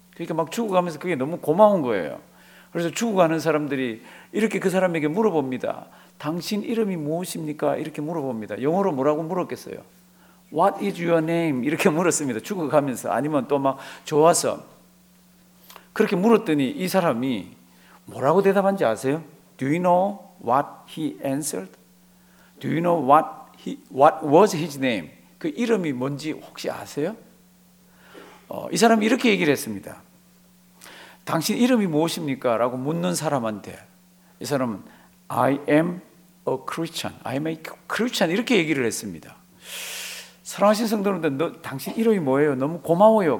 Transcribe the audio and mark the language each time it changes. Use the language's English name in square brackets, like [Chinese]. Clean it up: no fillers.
[Korean] 그러니까 막 죽어가면서 그게 너무 고마운 거예요. 그래서 죽어가는 사람들이 이렇게 그 사람에게 물어봅니다. 당신 이름이 무엇입니까? 이렇게 물어봅니다. 영어로 뭐라고 물었겠어요? [English] What is your name? [Korean] 이렇게 물었습니다. 죽어가면서 아니면 또 막 좋아서 그렇게 물었더니 이 사람이 뭐라고 대답한지 아세요? [English] Do you know what he answered? Do you know what was his name? [Korean] 그 이름이 뭔지 혹시 아세요? 이 사람이 이렇게 얘기를 했습니다. 당신 이름이 무엇입니까? 라고 묻는 사람한테 이 사람은 [English] I am a Christian. I am a Christian. [Korean] 이렇게 얘기를 했습니다. 사랑하신 성도님들, 당신 이름이 뭐예요? 너무 고마워요.